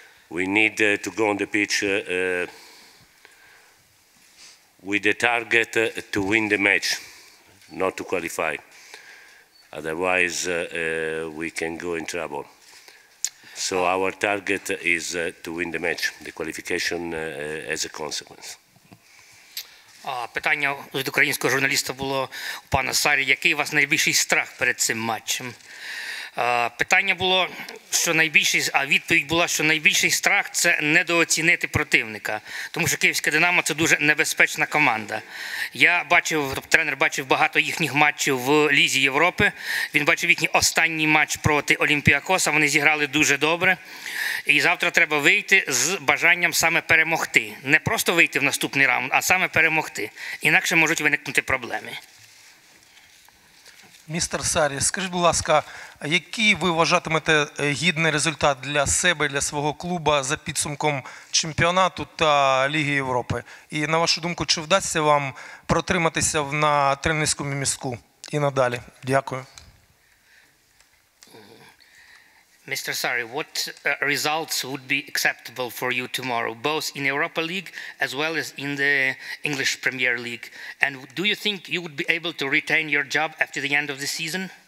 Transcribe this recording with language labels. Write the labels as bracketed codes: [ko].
[en] We need to go on the pitch with the target to win the match, not to qualify. Otherwise, we can go in trouble. So our target is to win the match, the qualification as a consequence. [uk] Питання від українського журналіста було у пана Сарі. Який у вас найбільший страх перед цим матчем? Питання було, що найбільший, а відповідь була, що найбільший страх – це недооцінити противника. Тому що Київська «Динамо» – це дуже небезпечна команда. Я бачив, тренер бачив багато їхніх матчів в Лізі Європи. Він бачив їхній останній матч проти Олімпіакоса. Вони зіграли дуже добре. І завтра треба вийти з бажанням саме перемогти. Не просто вийти в наступний раунд, а саме перемогти. Інакше можуть виникнути проблеми. Містер Сарі, скажіть, будь ласка, який ви вважатимете гідний результат для себе, для свого клуба за підсумком чемпіонату та Ліги Європи? І на вашу думку, чи вдасться вам протриматися на тренерському містку і надалі? Дякую. [en] Mr. Sarri, what results would be acceptable for you tomorrow, both in Europa League as well as in the English Premier League? And do you think you would be able to retain your job after the end of the season?